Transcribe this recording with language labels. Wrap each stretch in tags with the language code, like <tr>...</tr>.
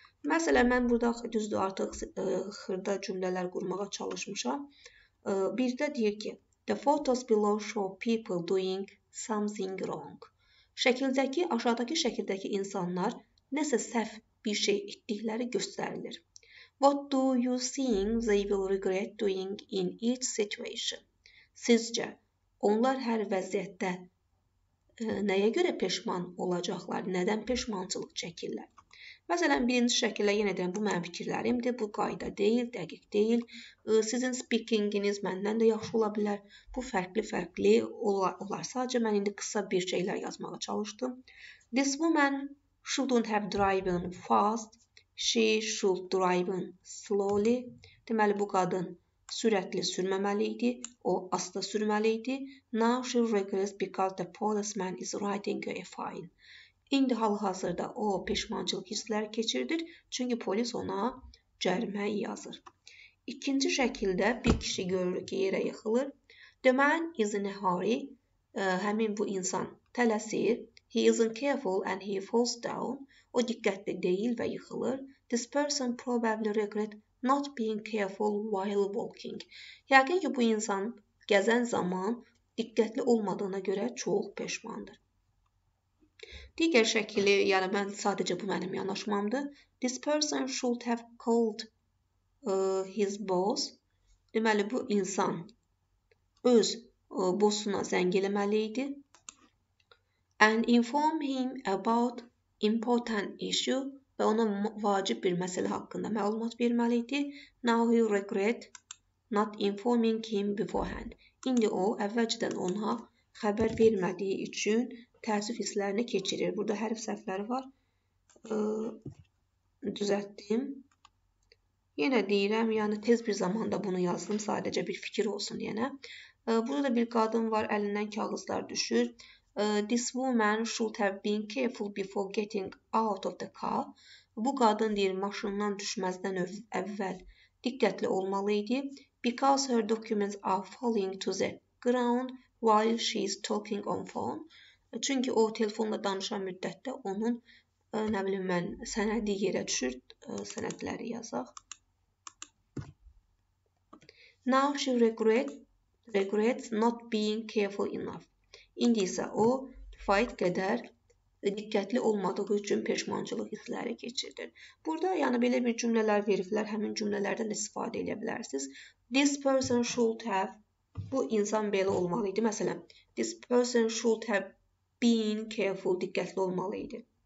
<az>Məsələn, mən burada düzdür, artıq xırda cümlələr qurmağa çalışmışam. Bir də deyir ki,</az> <en>the photos below show people doing something wrong.</en> <az>Şəkildəki, aşağıdakı şəkildəki insanlar nəsə səhv bir şey etdikləri göstərilir.</az> <en>What do you think they will regret doing in each situation?</en> <az>Sizcə, onlar hər vəziyyətdə nəyə görə peşman olacaqlar, nədən peşmançılıq çəkirlər? Məsələn, birinci şəkildə, yenə deyirəm, bu mənim fikirlərimdir, bu qayda deyil, dəqiq deyil. Sizin speakinginiz məndən də yaxşı ola bilər. Bu fərqli-fərqli olar. Sadəcə, mən indi qısa bir şeylər yazmağa çalışdım.</az> <en>This woman shouldn't have driven fast. She should drive slowly.</en> <az>Deməli, bu qadın sürətli sürməməli idi. O, asla sürməli idi.</az> <en>Now she regrets because the policeman is writing a fine.</en> <az>İndi hal-hazırda o peşmançılık hissləri keçirdir. Çünki polis ona cərimə yazır. İkinci şəkildə bir kişi görür ki, yerə yıxılır.</az> <en>The man is in a hurry.</en> <az>Həmin bu insan tələsir.</az> <en>He isn't careful and he falls down.</en> <az>O diqqətli deyil və yıxılır.</az> <en>This person probably regret not being careful while walking.</en> <az>Yəqin ki, bu insan gəzən zaman diqqətli olmadığına görə çox peşmandır. Digər şəkili, yəni mən sadəcə bu mənim yanaşmamdır.</az> <en>This person should have called his boss.</en> <az>Deməli, bu insan öz bossuna zəng eləməli idi.</az> <en>And inform him about important issue</en> <az>və ona vacib bir məsələ haqqında məlumat verməli idi.</az> <en>Now he regret not informing him beforehand.</en> <az>İndi o, əvvəlcədən ona xəbər vermədiyi üçün təəssüf hisslərini keçirir. Burada hərf səhvləri var. Düzəltdim. Yenə deyirəm, yəni tez bir zamanda bunu yazdım, sadəcə bir fikir olsun yenə. Burada da bir qadın var, əlindən kağızlar düşür.</az> <en>This woman should have been careful before getting out of the car.</en> <az>Bu qadın deyir, maşından düşməzdən əvvəl diqqətli olmalı idi.</az> <en>Because her documents are falling to the ground while she is talking on phone.</en> <az>Çünki o telefonla danışan müddətdə onun, nə bilim mən, sənədi yerə düşür, sənədləri yazaq.</az> <en>Now she regrets not being careful enough.</en> <az>İndi isə o, kifayət qədər diqqətli olmadığı üçün peşmançılıq hissləri keçirdir. Burada, yəni, belə bir cümlələr veriblər, həmin cümlələrdən istifadə edə bilərsiniz.</az> <en>This person should have,</en> <az>bu insan belə olmalı idi.</az> <en>Məsələn, this person should have been careful,</en> <az>diqqətli olmalı idi.</az>